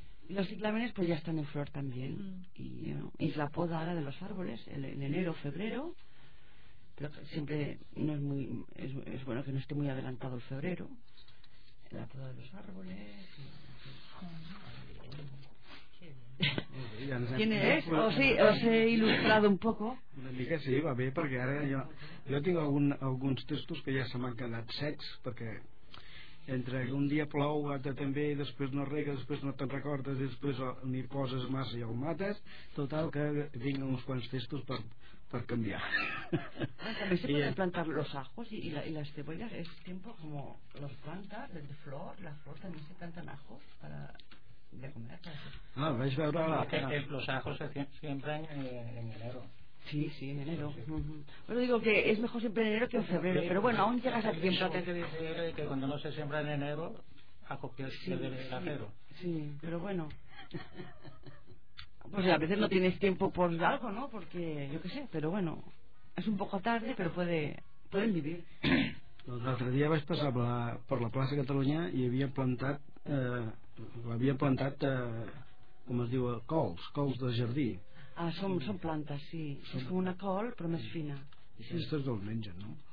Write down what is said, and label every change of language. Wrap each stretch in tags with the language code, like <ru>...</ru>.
<es>Y los ciclámenes pues ya están en flor también, y ¿no? Es la poda ahora de los árboles, en enero, febrero, pero siempre no es muy, es bueno que no esté muy adelantado el febrero, la poda de los árboles. ¿Tienes? ¿O sí, os he</es> <ca>il·lustrat un poc? Una mica sí, va bé, perquè ara jo tinc alguns textos que ja se m'han quedat secs, perquè entre un dia plou, l'altre també, després no rega, després no te'n recordes, després n'hi poses massa i el mates, total que vinc uns quants textos per canviar. També</ca> <es>se poden plantar los ajos y las cebollas, es tiempo como los plantas, de flor, las flores también se plantan ajos para... Ah, vais a ver la... Los ajos siempre en enero. Sí, sí, en enero. Bueno, digo que es mejor siempre en enero que en febrero, pero bueno, aún llegas a tiempo. Que cuando no se siembra en enero, ajo que se el acero. Sí, pero bueno. Pues a veces no tienes tiempo por algo, ¿no? Porque yo qué sé, pero bueno, es un poco tarde, pero pueden vivir.</es> <ca>L'altre dia vaig passar per la plaça Catalunya i havia plantat com es diu, cols de jardí. Ah, són plantes, sí. És com una col, però més fina. I aquestes no els mengen, no?</ca>